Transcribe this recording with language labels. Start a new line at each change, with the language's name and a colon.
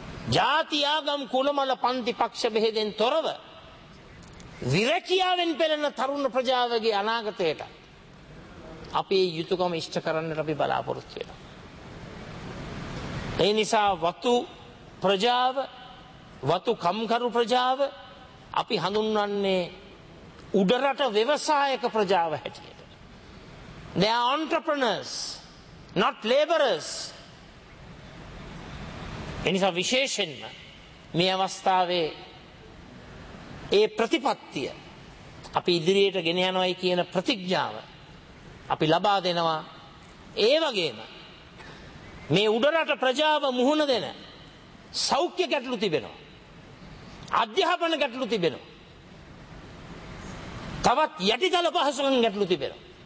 Sinhala: ජාති ආගම් කුලමල පන්ති පක්ෂ බෙහෙදෙන් තොරව විරකියාවෙන් පෙළෙන තරුණ ප්‍රජාවගේ අනාගතයට අපි යුතුකම ඉෂ්ට කරන්නට අපි බලාපොරොත්තු වෙනවා. ඒ නිසා වතු ප්‍රජාව, වතු කම්කරු ප්‍රජාව අපි හඳුන්වන්නේ උඩරට ව්‍යවසායක ප්‍රජාව හැටියට.
English: They are entrepreneurs, not laborers.
Sinhala: එනිසා විශේෂයෙන්ම මේ අවස්ථාවේ ඒ ප්‍රතිපත්තිය අපි ඉදිරියට ගෙන යනවායි කියන ප්‍රතිඥාව අපි ලබා දෙනවා. ඒ වගේම මේ උඩරට ප්‍රජාව මුහුණ දෙන සෞඛ්‍ය ගැටලු තිබෙනවා, අධ්‍යාපන ගැටලු තිබෙනවා, තවත් යටිතල පහසුකම් ගැටලු තිබෙනවා.